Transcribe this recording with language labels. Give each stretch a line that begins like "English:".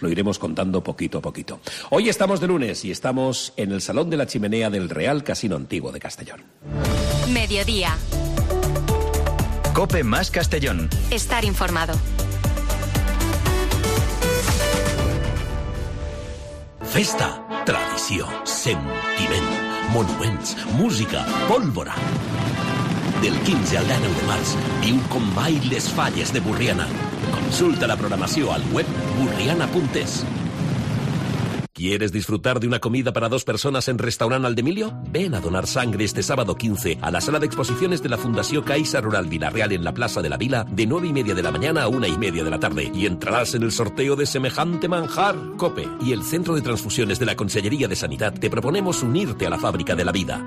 Spanish: Lo iremos contando poquito a poquito. Hoy estamos de lunes y estamos en el Salón de la Chimenea del Real Casino Antiguo de Castellón. Mediodía. COPE más Castellón. Estar informado. Festa, tradición, sentimiento.
Catalan: Monuments, música, pólvora. Del 15 al 19 de març, viu com mai les falles de Borriana. Consulta la programació al web burriana.es.
Spanish: ¿Quieres disfrutar de una comida para dos personas en Restaurant Aldemilio? Ven a donar sangre este sábado 15 a la sala de exposiciones de la Fundació Caixa Rural Villarreal en la Plaza de la Vila de 9:30 de la mañana a 1:30 de la tarde. Y entrarás en el sorteo de semejante manjar. COPE y el Centro de Transfusiones de la Conselleria de Sanidad te proponemos unirte a la fábrica de la vida.